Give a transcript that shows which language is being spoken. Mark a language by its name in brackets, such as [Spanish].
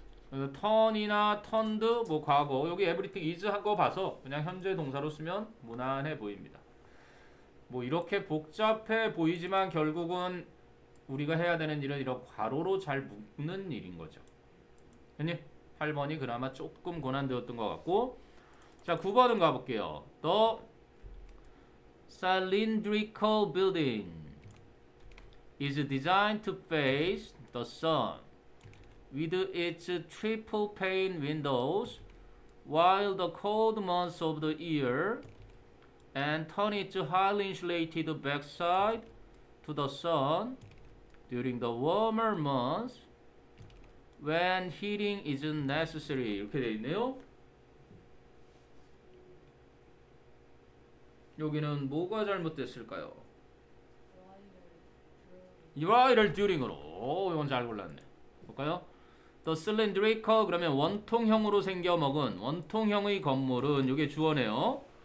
[Korean] 그래서 turn이나 turned, 뭐 과거, 여기 [English] everything is [Korean] 한거 봐서 그냥 현재 동사로 쓰면 무난해 보입니다. 뭐 이렇게 복잡해 보이지만 결국은 우리가 해야 되는 일은 이런 괄호로 잘 묶는 일인 거죠. 아니, 8번이 그나마 조금 고난되었던 것 같고. 자, 9번은 가볼게요. [English] The cylindrical building is designed to face the sun with its triple pane windows while the cold months of the year and turn its highly insulated backside to the sun during the warmer months when heating isn't necessary. [Korean] 이렇게 되어 있네요. 여기는 뭐가 잘못됐을까요? 이라이를 듀링으로. 오, 이건 잘 골랐네. 볼까요? [English] The cylindrical, [Korean] 그러면 원통형으로 생겨 먹은 원통형의 건물은, 이게 주어네요.